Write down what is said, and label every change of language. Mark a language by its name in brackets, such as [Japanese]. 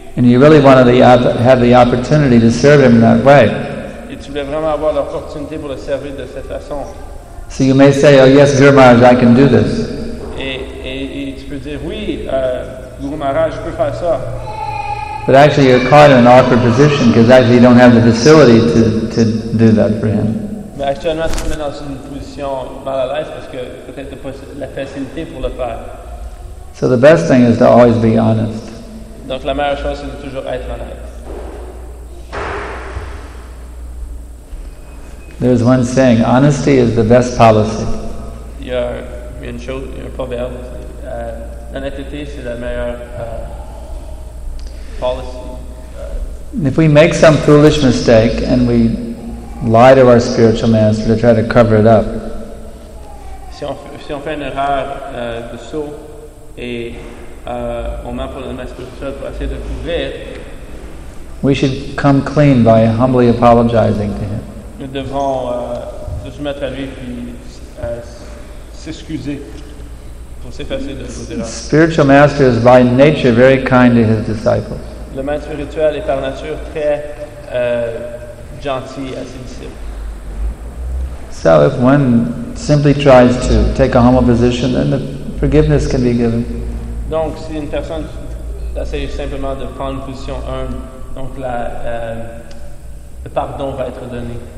[English] And you really want to have the opportunity to serve him in that way. [French] Et tu voulais vraiment avoir l'opportunité pour le servir de cette façon. [English] So you may say, oh yes, Guru Maharaj, I can do this. [French] Et tu peux dire, oui, Guru Maharaj, je peux faire ça. [English] But actually you're caught in an awkward position because actually you don't have the facility to do that for him. [French] Mais actuellement, tu es dans une position mal à l'aise parce que peut-être pas la facilité pour le faire. [English] So the best thing is to always be honest. [French] Donc la meilleure chose, c'est de toujours être honnête. [English] There's one saying, honesty is the best policy. [French] Il y a un proverbe, l'honnêteté, c'est la meilleure [English] policy. If we make some foolish mistake and we lie to our spiritual master to try to cover it up, [French] si on fait une erreur de saut et on ment pour le maître spirituel pour essayer de couvrir, [English] we should come clean by humbly apologizing to him. [French] Nous devons se soumettre à lui puis s'excuser pour s'effacer de nos erreurs. [English] Spiritual master is by nature very kind to his disciples. [French] Le maître spirituel est par nature très gentil à ses disciples. [English] So if one simply tries to take a humble position, then the forgiveness can be given. [French] Donc si une personne essaie simplement de prendre une position humble, donc le pardon va être donné.